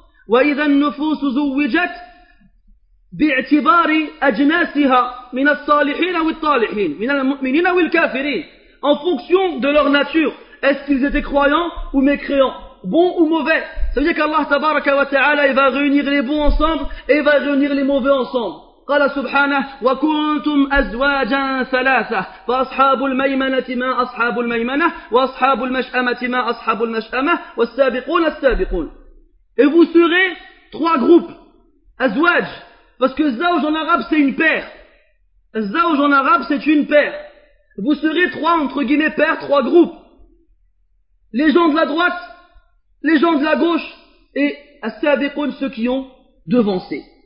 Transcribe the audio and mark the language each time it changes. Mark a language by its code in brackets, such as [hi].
[ar] وَإِذَا النُّفُوسُ زُوِّجَتْ بِاعْتِبَارِ أَجْنَاسِهَا مِنَ الصَّالِحِينَ وَالطَّالِحِينَ مِنَ الْمُؤْمِنِينَ وَالْكَافِرِينَ. [fr] En fonction de leur nature, est-ce qu'ils étaient croyants ou mécréants, bons ou mauvais. Ça veut dire qu'Allah tabaraka wa ta'ala, il va réunir les bons ensemble et il va réunir les mauvais ensemble. [ar] قال سبحانه وكنتم ازواجا ثلاثه فاصحاب الميمنه ما اصحاب الميمنه واصحاب المشأمه ما اصحاب المشأمه والسابقون السابقون. [fr] Et vous serez trois groupes. Azwaj, parce que zawj en arabe c'est une paire. Zawj en arabe c'est une paire. Vous serez trois, entre guillemets, paires, trois groupes. Les gens de la droite, les gens de la gauche et as-sabiqun, ceux qui ont devancé.